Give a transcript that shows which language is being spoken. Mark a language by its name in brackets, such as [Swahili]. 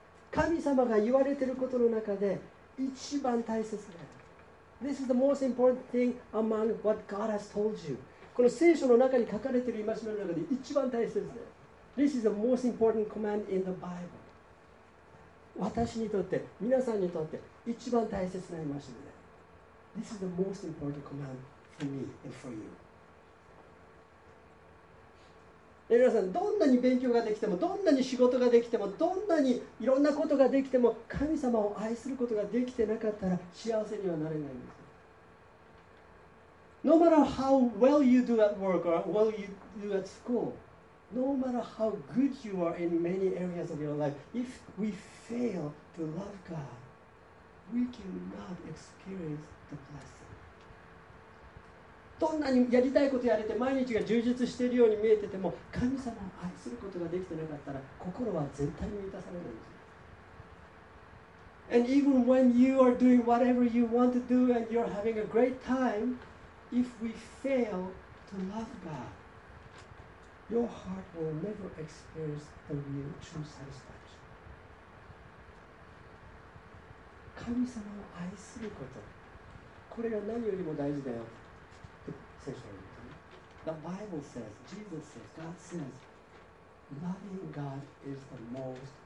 [Japanese] 神様が言われていることの中で一番大切な。 [English] This is the most important thing among what God has told you. [Japanese] この聖書の中に書かれている戒めの中で一番大切な。 [English] This is the most important command in the Bible. [Japanese] 私にとって、皆さんにとって一番大切な戒め。 [English] This is the most important command for me and for you. [Japanese] 皆さん、どんなに勉強ができても、どんなに仕事ができても、どんなにいろんなことができても、神様を愛することができてなかったら幸せにはなれないんです。 [English] No matter how well you do at work or well you do at school, no matter how good you are in many areas of your life, if we fail to love God, we cannot experience the blessing. [Japanese] どんなにやりたいことやれて毎日が充実しているように見えてても、神様を愛することができてなかったら、心は絶対に満たされないんです。 [English] And even when you are doing whatever you want to do and you're having a great time, if we fail to love God, your heart will never experience the real true satisfaction. [Japanese] 神様を愛すること、これが何よりも大事だよ。聖書に、 [English] The Bible says, Jesus says, God says, loving God is the most important thing.